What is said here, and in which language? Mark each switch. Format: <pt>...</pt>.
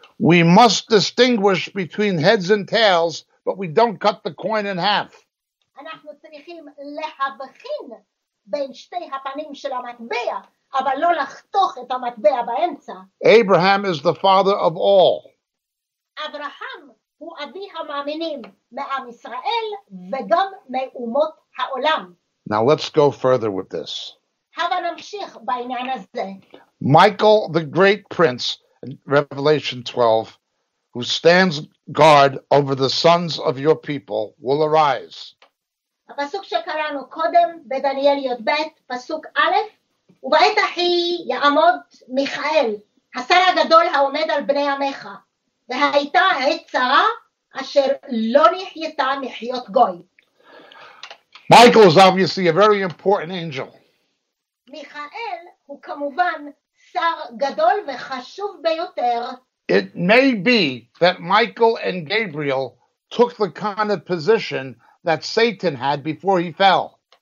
<en>We must distinguish between heads and tails, but we don't cut the coin in half.</en> <he>אנחנו צריכים להבחין בין שתי הפנים של המטבע, אבל לא לחתוך את המטבע באמצע.</he> <en>Abraham is the father of all.</en> <he>אברהם הוא אבי המאמינים מעם ישראל וגם מאומות העולם.</he> <en>Now let's go further with this.</en> <he>הבה נמשיך בעניין הזה.</he> <en>Michael the great prince, Revelation 12, who stands guard over the sons of your people, will arise.</en> <he>הפסוק שקראנו קודם בדניאל י"ב, פסוק א', ובעת אחי יעמוד מיכאל, השר הגדול העומד על בני עמך, והייתה עת צרה אשר לא נחייתה מחיות גוי.</he> <en>Michael is obviously a very important angel.</en> <he>מיכאל הוא כמובן שר גדול וחשוב ביותר.</he> <en>It may be that Michael and Gabriel took the kind of position that Satan had before he fell.</en>